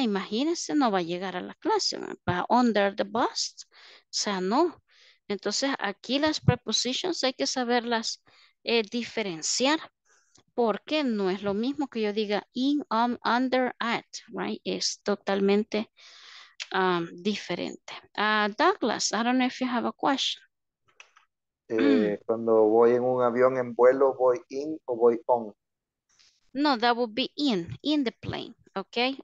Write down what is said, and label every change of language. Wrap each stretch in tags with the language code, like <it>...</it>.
<es>Imagínese, no va a llegar a la clase, va</es> <en>under the bus,</en> <es>o sea, no. Entonces, aquí las prepositions hay que saberlas diferenciar, porque no es lo mismo que yo diga in, under, at, right? Es totalmente diferente.</es> <en>Douglas, I don't know if you have a question.</en> <es>Cuando voy en un avión en vuelo, ¿voy in o voy on?</es> <en>No, that would be in the plane, okay?</en>